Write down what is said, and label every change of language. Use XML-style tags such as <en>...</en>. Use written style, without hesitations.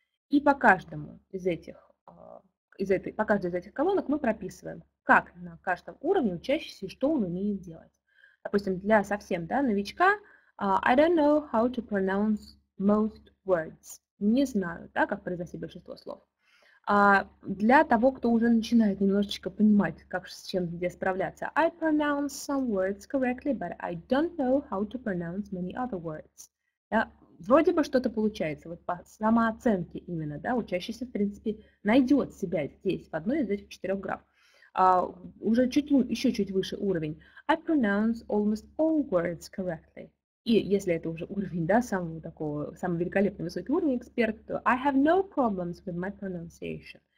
<ru>И по каждому из этих, по каждой из этих колонок мы прописываем, как на каждом уровне учащийся и что он умеет делать. Допустим, для совсем, да, новичка,</ru> <en>I don't know how to pronounce most words.</en> <ru>Не знаю, да, как произносить большинство слов. А для того, кто уже начинает немножечко понимать, как с чем где справляться.</ru> <en>I pronounce some words correctly, but I don't know how to pronounce many other words.</en> <ru>Да, вроде бы что-то получается. Вот по самооценке именно, да, учащийся, в принципе, найдет себя здесь, в одной из этих 4 граф. А уже еще чуть выше уровень.</ru> <en>I pronounce almost all words correctly.</en> <ru>И если это уже уровень, да, самого такого, самый великолепный высокий уровень эксперт, то</ru> <en>I have no problems with my pronunciation.</en>